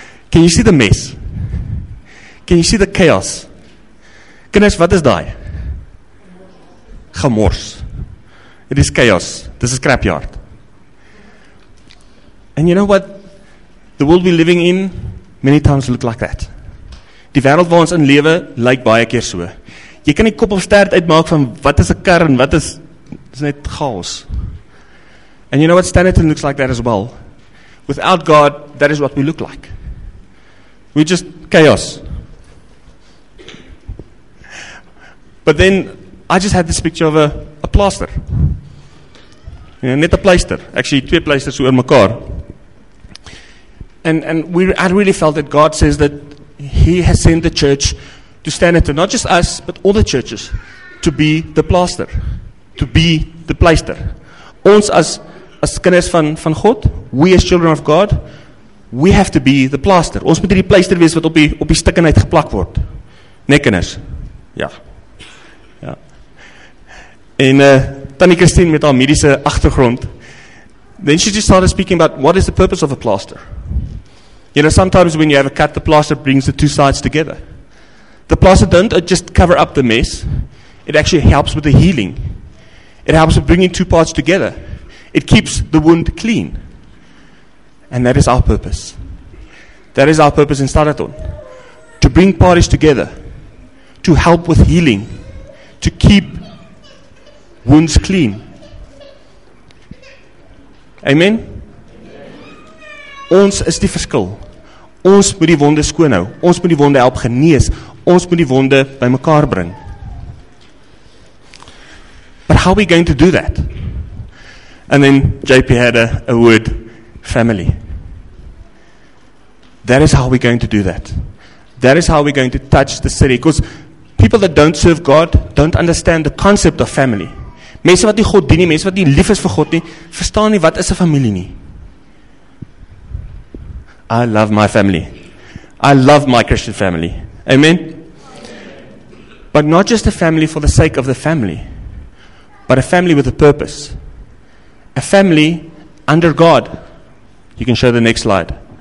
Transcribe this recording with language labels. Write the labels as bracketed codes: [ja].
[en] Can you see the mess? Can you see the chaos? [af] Kinders, wat is daai? Gemors. [en] It is chaos. This is a scrapyard. And you know what? The world we're living in many times look like that. [af] Die wêreld waar ons in lewe lyk baie keer so. Jy kan nie kop of staart uitmaak van wat is 'n kar en wat is dis net chaos. [en] And you know what Stanton looks like that as well. Without God, that is what we look like. We're just chaos. But then I just had this picture of a plaster. Yeah, net a plaster. Actually, [af] twee plaisters oor mekaar. [en] And I really felt that God says that He has sent the church to stand it, not just us, but all the churches, to be the plaster, to be the pleister. [af] Ons as kinders van God, [en] we as children of God, we have to be the plaster. [af] Ons moet die pleister wees wat op die stikkenheid geplak word. Nee, kinders? Ja. Ja. En Tannie Christine met haar mediese achtergrond, [en] then she just started speaking about what is the purpose of a plaster. You know, sometimes when you have a cut, the plaster brings the two sides together. The plaster doesn't just cover up the mess. It actually helps with the healing. It helps with bringing two parts together. It keeps the wound clean. And that is our purpose. That is our purpose in Staraton. To bring parties together. To help with healing. To keep wounds clean. [af] Amen? Ons is die verskil. Ons moet die wonde skoon hou. Ons moet die wonde help genees. Ons moet die wonde bymekaar bring. [en] But how are we going to do that? And then JP had a word, family. That is how we're going to do that. That is how we're going to touch the city. Because people that don't serve God don't understand the concept of family. [af] Mense wat nie God dien nie, mense wat nie lief is vir God nie, verstaan nie wat is 'n familie nie. [en] I love my family. I love my Christian family. Amen? But not just a family for the sake of the family, but a family with a purpose. A family under God. You can show the next slide.